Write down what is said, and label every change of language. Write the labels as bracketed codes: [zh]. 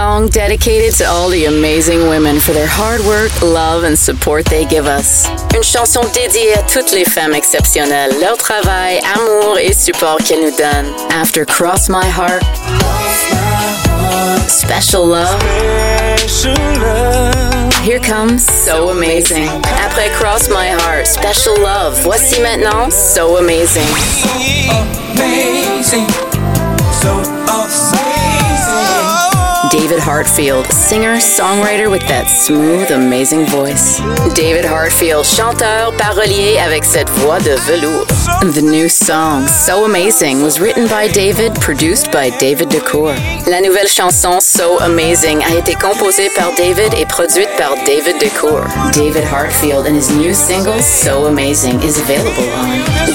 [en] dedicated to all the amazing women for their hard work, love, and support they give us. [fr] Une chanson dédiée à toutes les femmes exceptionnelles, leur travail, amour et support qu'elles nous donnent. [en] After Cross My Heart, Special Love, Here Comes So Amazing. [fr] Après Cross My Heart, Special Love, voici maintenant So Amazing. [en] Amazing. David Hartfield, singer, songwriter with that smooth, amazing voice. [fr] David Hartfield, chanteur, parolier avec cette voix de velours. [en] The new song, So Amazing, was written by David, produced by David Decour. [fr] La nouvelle chanson, So Amazing, a été composée par David et produite par David Decour. [en] David Hartfield and his new single, So Amazing, is available on...